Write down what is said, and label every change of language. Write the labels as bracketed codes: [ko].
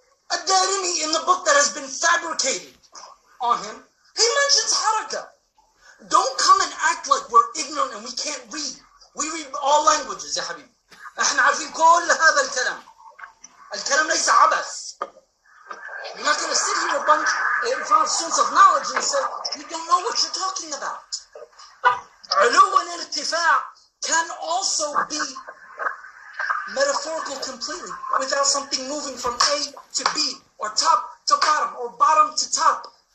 [en] A Darimi in the book that has been fabricated on him, he mentions haraka. Don't come and act like we're ignorant and we can't read. We read all languages, ya habibi. [ar] نحن عارفين كل هذا الكلام. الكلام ليس عبث. [en] You're not going to sit here a bunch in front of students of knowledge and say, you don't know what you're talking about. [ar] علو والارتفاع [en] can also be metaphorical completely without something moving from A to B or top to bottom or bottom to top.